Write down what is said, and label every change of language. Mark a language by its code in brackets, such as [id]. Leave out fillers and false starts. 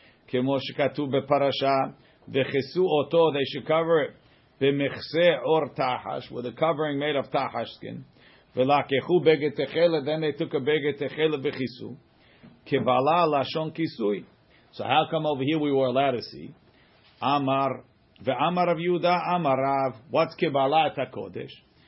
[he] כמו שכתוב בפרשה, וכיסו אותו, [en] they should cover it, [he] במכסה אור תחש, [en] with a covering made of [he] תחש skin, ולקחו בגד תכלת, [en] then they took a [he] בגד תכלת וכיסו, כבלה לשון כיסוי. [en] So how come over here we were allowed to see? [he] אמר, ואמר רב יהודה, אמר רב, [en] what's [he] כבלה את הקודש?